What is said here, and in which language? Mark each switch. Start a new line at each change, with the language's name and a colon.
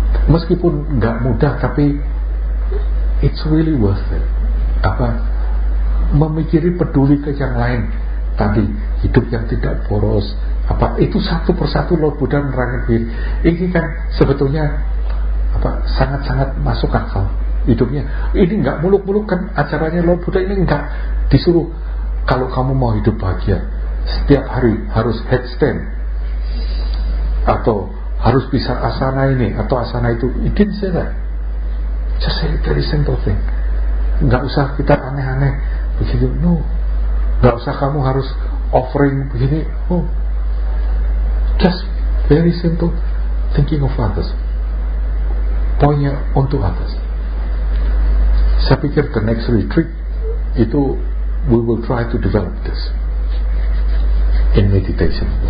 Indonesian: Meskipun gak mudah, tapi
English: it's really worth it.
Indonesian: Apa? Memikiri peduli ke yang lain tadi, hidup yang tidak boros. Apa? Itu satu persatu Lord Buddha menerangkan diri. Ini kan sebetulnya apa? Sangat-sangat masuk akal hidupnya. Ini gak muluk-muluk kan acaranya Lord Buddha ini, gak disuruh kalau kamu mau hidup bahagia setiap hari harus headstand atau harus bisa asana ini atau asana itu.
English: It didn't say that. Just say it very simple thing.
Indonesian: Gak usah kita aneh-aneh begitu. No. Gak usah kamu harus offering begini. Oh.
English: Just very simple thinking of others. Pointnya onto others.
Indonesian: Saya pikir
English: the next retreat
Indonesian: itu
English: we will try to develop this in meditation.